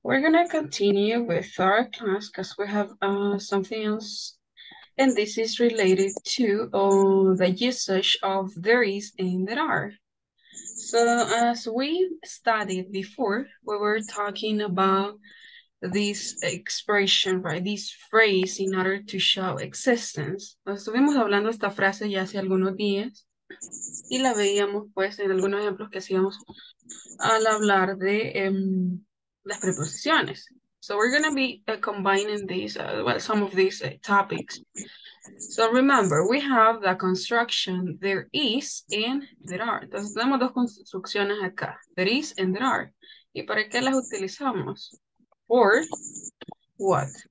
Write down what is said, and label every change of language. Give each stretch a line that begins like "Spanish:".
English: We're gonna continue with our class because we have something else, and this is related to the usage of there is and there are. So as we studied before, we were talking about this expression, right? This phrase in order to show existence.
Spanish: Estuvimos hablando esta frase ya hace algunos días. Y la veíamos, pues, en algunos ejemplos que hacíamos al hablar de las preposiciones.
English: So we're going to be combining these, well, some of these topics. So remember, we have the construction, there is and there are.
Spanish: Entonces tenemos dos construcciones acá,
English: there is and there are.
Spanish: ¿Y para qué las utilizamos?
English: Or what?